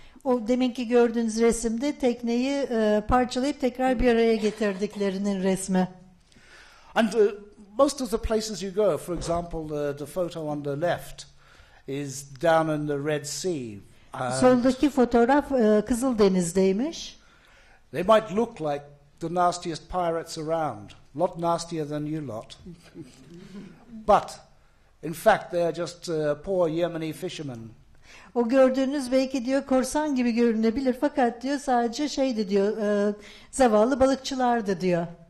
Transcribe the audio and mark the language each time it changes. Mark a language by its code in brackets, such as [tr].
[tr] O deminki gördüğünüz resimde tekneyi parçalayıp tekrar bir araya getirdiklerinin resmi. [en] And most of the places you go, for example, the photo on the left is down in the Red Sea. [tr] Soldaki fotoğraf Kızıldeniz'deymiş. [en] They might look like the nastiest pirates around. Lot nastier than you lot. But in fact they are just poor Yemeni fishermen. [tr] O gördüğünüz belki diyor korsan gibi görünebilir, fakat diyor sadece şeydi diyor, zavallı balıkçılardı diyor.